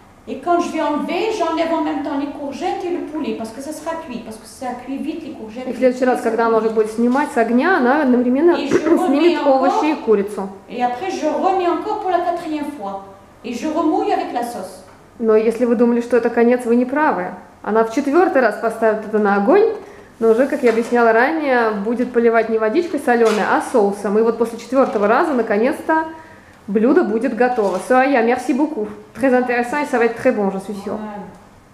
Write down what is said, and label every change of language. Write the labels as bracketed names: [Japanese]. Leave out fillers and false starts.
[French] Et quand je vais enlever, j'enlève en même temps les courgettes et le poulet, parce que ça sera cuit, parce que ça cuit vite les courgettes. [Russian] И в следующий раз, когда она уже будет снимать с огня, она одновременно снимет овощи и курицу. [French] Et après je remets encore pour la quatrième fois, et je remouille avec la sauce. [Russian] Но если вы думали, что это конец, вы не правы. Она в четвертый раз поставит это на огонь, но уже, как я объясняла ранее, будет поливать не водичкой соленой, а соусом. И вот после четвертого раза, наконец-то, блюдо будет готово. Сурая, [French] merci beaucoup. Très intéressant et ça va être très bon, je suis sûre.